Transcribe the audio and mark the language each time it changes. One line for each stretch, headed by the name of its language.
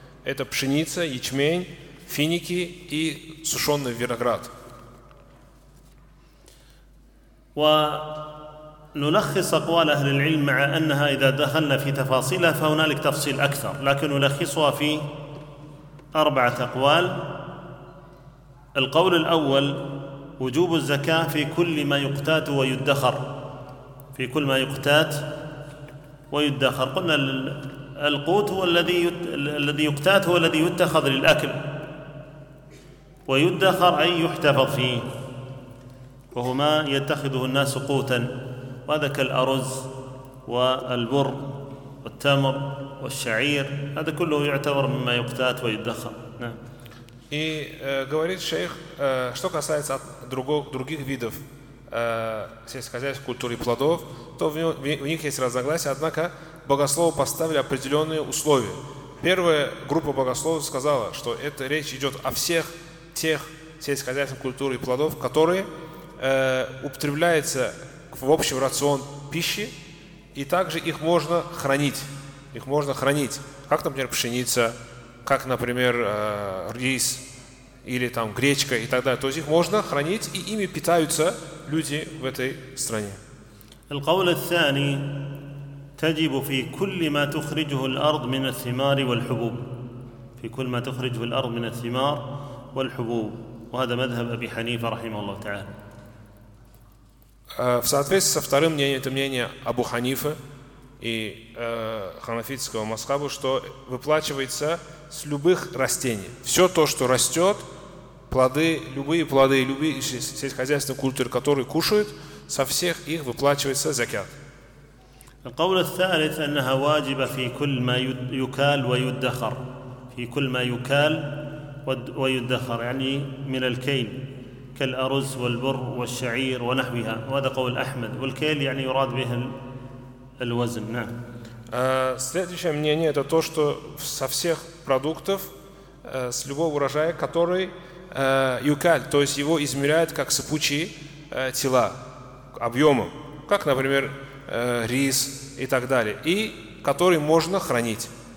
Russian: Это пшеница, ячмень, финики и сушеный виноград.
Arabic: ونلخص أقوال أهل العلم مع أنها إذا دخلنا في تفاصيلها فهنالك تفصيل أكثر لكن نلخصها في أربعة أقوال. القول الأول وجوب الزكاة في كل ما يقتات ويدخر. في كل ما يقتات ويدخر قلنا القوت هو الذي يقتات هو الذي يتخذ للأكل ويدخر أي يحتفظ فيه وهما يتخذه الناس قوتا وهذا كالأرز والبر والتمر والشعير هذا كله يعتبر مما يقتات ويدخر.
Russian: И говорит шейх, что касается других видов сельскохозяйственной культуры плодов, то в них есть разногласия, однако богословы поставили определенные условия. Первая группа богословов сказала, что это речь идет о всех тех сельскохозяйственных культур и плодов, которые употребляется в общий рацион пищи, и также их можно хранить. Их можно хранить, как, например, пшеница, как, например, рис или там гречка и так далее. То есть их можно хранить, и ими питаются люди в этой стране.
Arabic: القول الثاني تجب في كل ما تخرجه الأرض من الثمار والحبوب. في كل ما تخرجه الأرض من الثمار والحبوب. وهذا مذهب أبي حنيفة رحمه الله تعالى.
Russian: в соответствии со вторым мнением, это мнение Абу Ханифы и ханафитского масхаба, что выплачивается с любых растений. Все то, что растет, плоды, любые сельскохозяйственные культуры, которые кушают, со всех их выплачивается закят.
Arabic: القول الثالث أنها واجبة في كل ما يكال ويدخر في كل ما يكال ويدخر يعني من الكيل كالأرز والبر والشعير ونحوها وهذا قول أحمد والكيل يعني يراد به الوزن نعم.
Russian: Следующее мнение это то что со всех продуктов с любого урожая который يكال то есть его измеряют как сыпучие тела объемом как например рис и так далее, и который можно хранить.